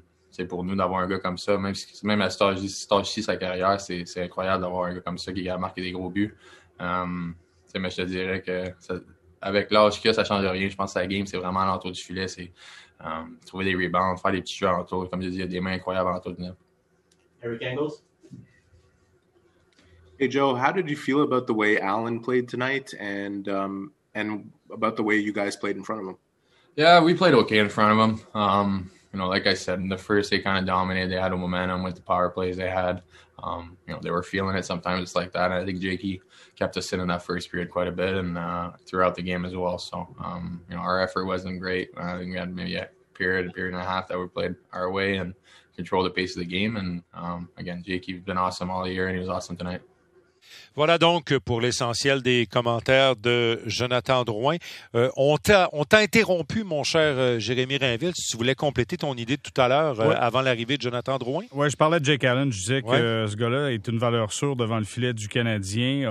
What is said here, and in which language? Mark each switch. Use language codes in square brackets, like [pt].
[fr] C'est pour nous d'avoir un gars comme ça, même à Star-ci sa carrière, c'est incroyable d'avoir un gars comme ça qui a marqué des gros buts. Mais je te dirais que avec l'âge qu'il y a, ça ne change rien. Je pense que la game, c'est vraiment alentour du filet. C'est trouver des rebounds, faire des petits jeux alentour. Comme je dis, il y a des mains incroyables alentour du net. Eric Engels? [en] Hey Joe, how did you feel about the way Allen played tonight, and about the way you guys played in front of him? Yeah, we played okay in front of him. You know, like I said, in the first they kind of dominated. They had a momentum with the power plays they had. You know, they were feeling it sometimes. It's like that. And I think Jakey kept us in that first period quite a bit and throughout the game as well. So, you know, our effort wasn't great. I think we had maybe a period and a half that we played our way and controlled the pace of the game. And again, Jakey's been awesome all year and he was awesome tonight. [fr] Voilà donc pour l'essentiel des commentaires de Jonathan Drouin. On t'a interrompu, mon cher Jérémy Rainville, si tu voulais compléter ton idée de tout à l'heure avant l'arrivée de Jonathan Drouin. Oui, je parlais de Jake Allen. Je disais que ce gars-là est une valeur sûre devant le filet du Canadien.